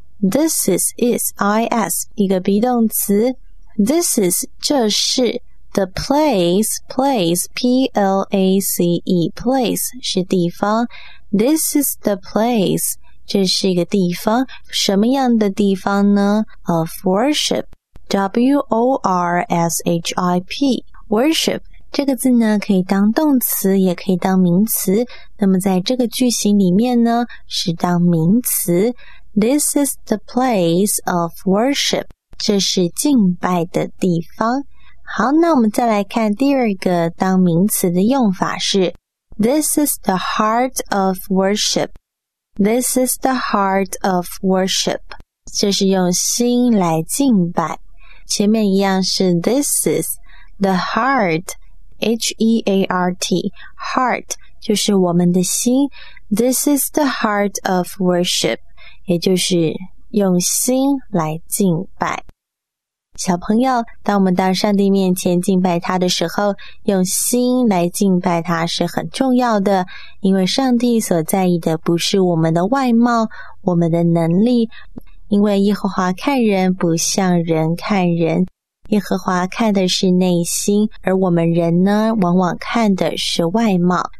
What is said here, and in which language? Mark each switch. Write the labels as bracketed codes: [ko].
[en] This is, I-S, 一个 be 动词。 This is, 这是 the place, place, P-L-A-C-E, place, 是地方。 This is the place. [zh] 这是一个地方，什么样的地方呢 ?of worship, w-o-r-s-h-i-p, worship, 这个字呢可以当动词也可以当名词，那么在这个句型里面呢是当名词 , [en] this is the place of worship, [zh] 这是敬拜的地方。好，那我们再来看第二个当名词的用法是 [en] ,this is the heart of worship,This is the heart of worship. [zh] 这是用心来敬拜。前面一样是 this is the heart, H-E-A-R-T, heart, 就是我们的心。 [en] This is the heart of worship, [zh] 也就是用心来敬拜。小朋友，当我们到上帝面前敬拜他的时候，用心来敬拜他是很重要的，因为上帝所在意的不是我们的外貌，我们的能力，因为耶和华看人不像人看人，耶和华看的是内心，而我们人呢，往往看的是外貌。